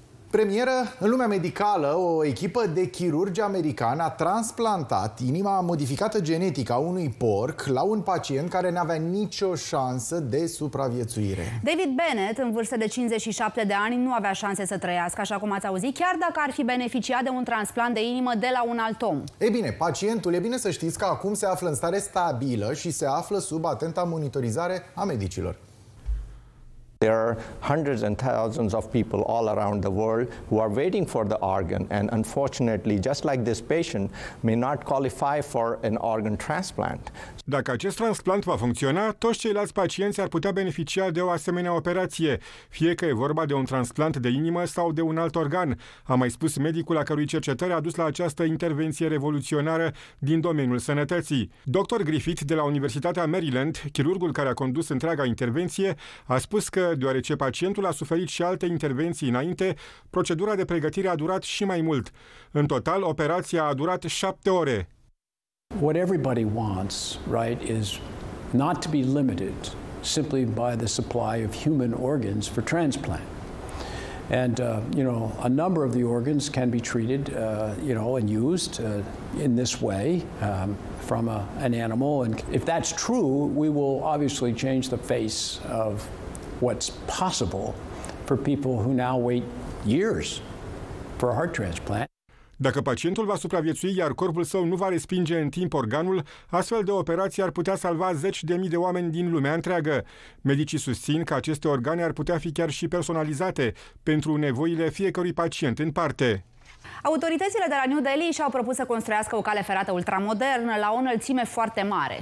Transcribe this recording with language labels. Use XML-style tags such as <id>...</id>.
<ro>Premieră, în lumea medicală, o echipă de chirurgi americani a transplantat inima modificată genetică a unui porc la un pacient care n-avea nicio șansă de supraviețuire. David Bennett, în vârstă de 57 de ani, nu avea șanse să trăiască, așa cum ați auzit, chiar dacă ar fi beneficiat de un transplant de inimă de la un alt om. Ei bine, pacientul, e bine să știți că acum se află în stare stabilă și se află sub atenta monitorizare a medicilor.</ro> <en>There are hundreds and thousands of people all around the world who are waiting for the organ, and unfortunately, just like this patient, may not qualify for an organ transplant.</en> <ro>Dacă acest transplant va funcționa, toți ceilalți pacienți ar putea beneficia de o asemenea operație, fie că e vorba de un transplant de inimă sau de un alt organ, a mai spus medicul a cărui cercetări a dus la această intervenție revoluționară din domeniul sănătății. Dr. Griffith, de la Universitatea Maryland, chirurgul care a condus întreaga intervenție, a spus că, deoarece pacientul a suferit și alte intervenții înainte, procedura de pregătire a durat și mai mult. În total, operația a durat 7 ore.</ro> <en>What everybody wants, right, is not to be limited simply by the supply of human organs for transplant. And, you know, a number of the organs can be treated, you know, and used in this way from an animal. And if that's true, we will obviously change the face of what's possible for people who now wait years for a heart transplant.</en> <ro>Dacă pacientul va supraviețui, iar corpul său nu va respinge în timp organul, astfel de operații ar putea salva 10.000 de oameni din lumea întreagă. Medicii susțin că aceste organe ar putea fi chiar și personalizate pentru nevoile fiecărui pacient în parte. Autoritățile de la New Delhi și-au propus să construiască o cale ferată ultramodernă la o înălțime foarte mare.</ro>